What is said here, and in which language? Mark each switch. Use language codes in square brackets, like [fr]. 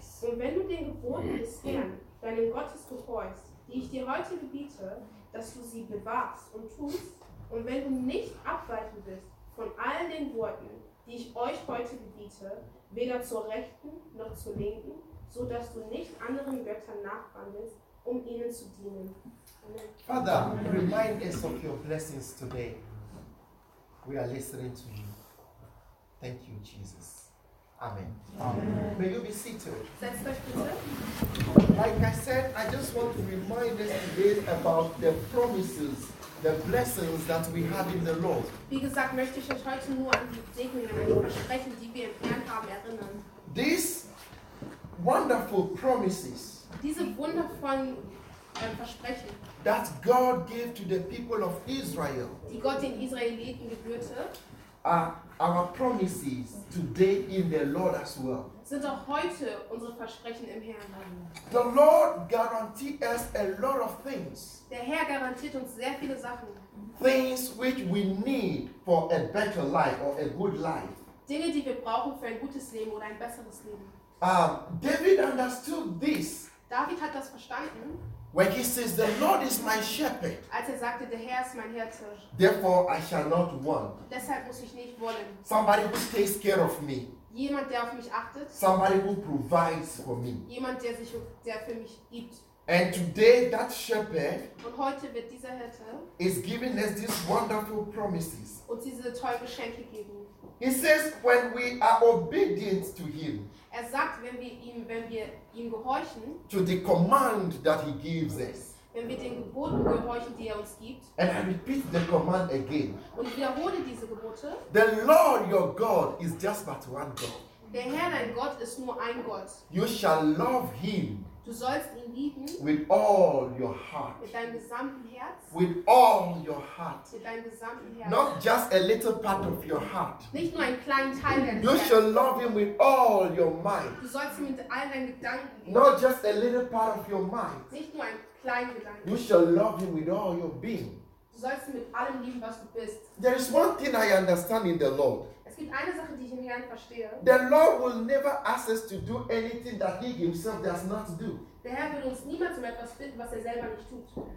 [de] Und wenn du den Geboten des Herrn, deinem Gottes, gehorchst, die ich dir heute gebiete, dass du sie bewahrst und tust, und wenn du nicht abweichen wirst von all den Worten, die ich euch heute gebiete, weder zur Rechten noch zur Linken, so dass du nicht anderen Göttern nachwandelst, um ihnen zu dienen. [en] Amen. Father, remind us of your blessings today. We are listening to you. Thank you, Jesus. Amen. Amen. May you be seated. [de] Bitte. [en] Like I said, I just want to remind us today about the promises, the blessings that we have in the Lord. [de] Wie gesagt, möchte ich euch heute nur an die Segnungen, an die Versprechen, die wir im Herrn haben, erinnern. [en] These wonderful promises. [de] Diese wundervollen Versprechen. [en] That God gave to the people of Israel. [de] Die Gott den Israeliten gebührte. [en] Our promises today in the Lord as well. [de] Sind auch heute unsere Versprechen im Herrn. [en] The Lord guarantees us a lot of things. [de] Der Herr garantiert uns sehr viele Sachen. [en] Things which we need for a better life or a good life. [de] Dinge, die wir brauchen für ein gutes Leben oder ein besseres Leben. [en] David understood this. [de] David hat das verstanden. [en] When he says, "The Lord is my shepherd," [de] als er sagte, der Herr ist mein Hirte, [en] therefore I shall not want. [de] Deshalb muss ich nicht wollen. [en] Somebody who takes care of me. [de] Jemand, der auf mich achtet. [en] Somebody who provides for me. [de] Jemand, der für mich gibt. [en] And today that shepherd, [de] und heute wird dieser Hirte, [en] is giving us these wonderful promises. [de] Und diese tollen Geschenke geben. [en] He says, when we are obedient to him, [de] er sagt, wenn wir ihm gehorchen, [en] to the command that he gives us, [de] wenn wir den Geboten gehorchen, die er uns gibt, [en] and I repeat the command again, [de] und wiederhole diese Gebote, [en] the Lord your God is just but one God. [de] Der Herr dein Gott ist nur ein Gott. [en] You shall love him. [de] Du sollst ihn lieben. [en] With all your heart. [de] Mit deinem gesamten Herz. [en] With all your heart. [de] Mit deinem gesamten Herz. [en] Not just a little part of your heart. [de] Nicht nur einen kleinen Teil deines Herzens. [en] You shall love him with all your mind. [de] Du sollst ihn mit all deinen Gedanken lieben. [en] Not just a little part of your mind. [de] Nicht nur einen kleinen Gedanken. [en] You shall love him with all your being. [de] Du sollst ihn mit allem lieben, was du bist. [en] There is one thing I understand in the Lord. [de] Es gibt eine Sache, die ich im Herrn verstehe. [en] The Lord will never ask us to do anything that he himself does not do. [de] Der Herr wird uns niemals um etwas bitten, was er selber nicht tut.